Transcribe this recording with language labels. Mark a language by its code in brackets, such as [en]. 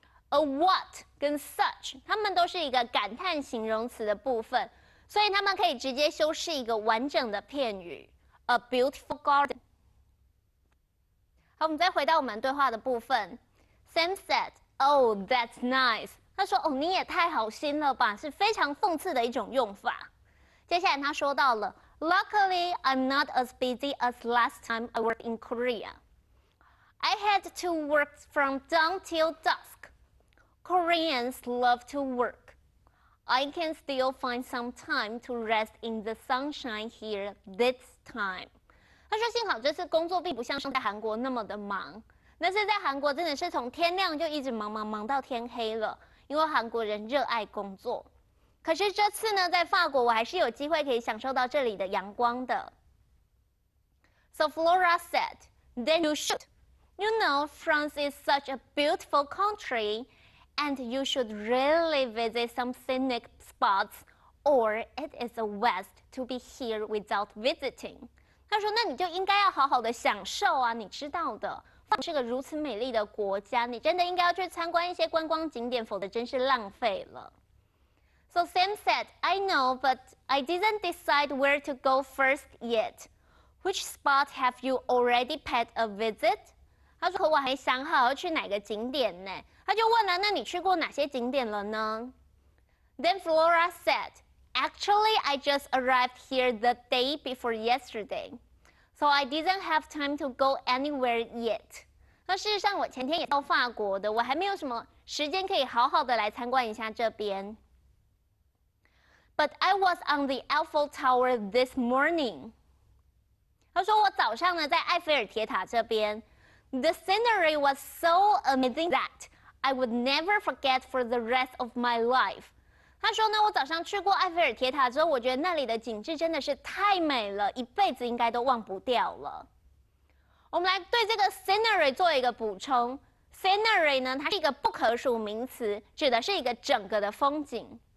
[zh] A what 跟 such 它们都是一个感叹形容词的部分，所以它们可以直接修饰一个完整的片语。 [en] A beautiful garden。 [zh] 好，我们再回到我们对话的部分。 [en] Sam said, "Oh, that's nice." [zh] 他说，哦，你也太好心了吧，是非常讽刺的一种用法。接下来他说到了 [en] Luckily, I'm not as busy as last time I worked in Korea. I had to work from dawn till dusk. Koreans love to work. I can still find some time to rest in the sunshine here this time. [zh] 他说幸好这次工作并不像在韩国那么的忙，那是在韩国真的是从天亮就一直忙忙忙到天黑了，因为韩国人热爱工作。可是这次呢，在法国我还是有机会可以享受到这里的阳光的。 [en] So Flora said, "Then you should. You know, France is such a beautiful country, and you should really visit some scenic spots, or it is a waste to be here without visiting." [zh] 他说：“那你就应该要好好的享受啊，你知道的，法国是个如此美丽的国家，你真的应该要去参观一些观光景点，否则真是浪费了。” [en] So Sam said, "I know, but I didn't decide where to go first yet. Which spot have you already paid a visit?" [zh] 他说，可我还想好要去哪个景点呢。他就问了，那你去过哪些景点了呢？ [en] Then Flora said, "Actually, I just arrived here the day before yesterday. So I didn't have time to go anywhere yet." [zh] 那事实上，我前天也到法国的，我还没有什么时间可以好好的来参观一下这边。 [en] But I was on the Eiffel Tower this morning. [zh] 他说我早上呢在埃菲尔铁塔这边。 [en] The scenery was so amazing that I would never forget for the rest of my life. [zh] 他说呢，我早上去过埃菲尔铁塔之后，我觉得那里的景致真的是太美了，一辈子应该都忘不掉了。我们来对这个 scenery 做一个补充。scenery 呢，它是一个不可数名词，指的是一个整个的风景。